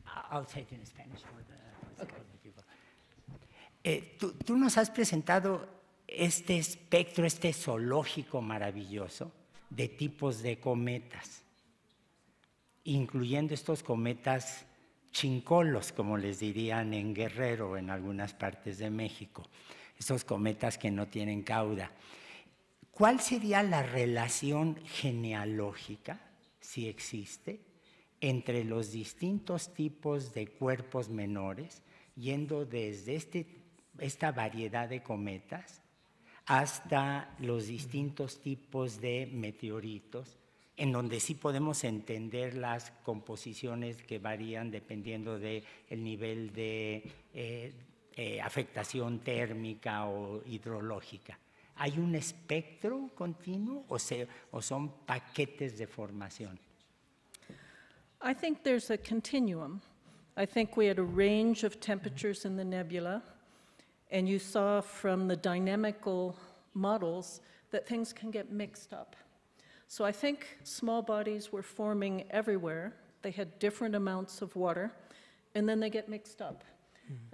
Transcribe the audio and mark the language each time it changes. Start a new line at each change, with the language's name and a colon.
English: I'll say it in Spanish for the people.
Spanish: Tú nos has presentado este espectro, este zoológico maravilloso de tipos de cometas, incluyendo estos cometas chincolos, como les dirían en Guerrero o en algunas partes de México, estos cometas que no tienen cauda. ¿Cuál sería la relación genealógica, si existe, entre los distintos tipos de cuerpos menores, yendo desde esta variedad de cometas hasta los distintos tipos de meteoritos, en donde sí podemos entender las composiciones que varían dependiendo del nivel de afectación térmica o hidrológica? ¿Hay un espectro continuo o son paquetes de formación?
English: I think there's a continuum. I think we had a range of temperatures in the nebula, and you saw from the dynamical models that things can get mixed up. So I think small bodies were forming everywhere. They had different amounts of water, and then they get mixed up. Mm-hmm.